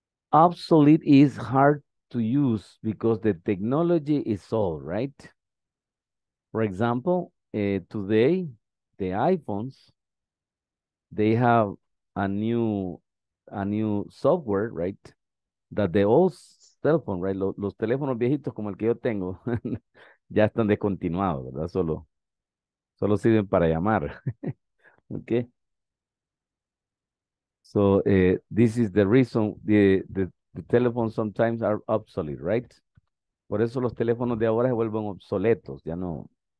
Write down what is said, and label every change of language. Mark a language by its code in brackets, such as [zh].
[en] Obsolete is hard to use because the technology is old, right? For example, today, the iPhones, they have a new software, right? That the old cell phone, right? [es] Los teléfonos viejitos como el que yo tengo, ya están descontinuados, ¿verdad? Solo sirven para llamar. Okay. [en] So, this is the reason the telephones sometimes are obsolete, right? [es] Por eso los teléfonos de ahora se vuelven obsoletos, ya no.